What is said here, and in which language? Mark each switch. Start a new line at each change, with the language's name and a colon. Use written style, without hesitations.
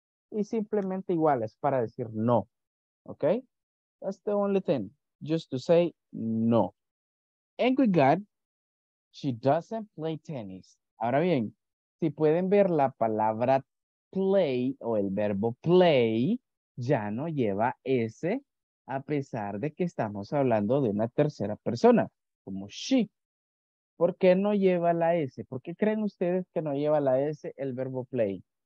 Spanish: Y simplemente igual es para decir no, ¿ok?
English: That's the only thing, just to say no. And we got, she doesn't play tennis.
Spanish: Ahora bien, si pueden ver la palabra play o el verbo play, ya no lleva S a pesar de que estamos hablando de una tercera persona, como she. ¿Por qué no lleva la S? ¿Por qué creen ustedes que no lleva la S el verbo play?